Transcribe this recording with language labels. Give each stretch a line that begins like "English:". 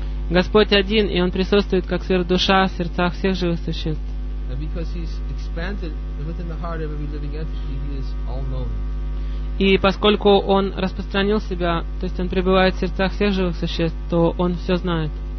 Russian: Господь один, и Он присутствует как сверхдуша в сердцах всех живых существ.
English: And because He's expanded within the heart of every living entity, He is all-knowing.
Russian: И поскольку Он распространил Себя, то есть Он пребывает в сердцах всех живых существ, то Он все знает.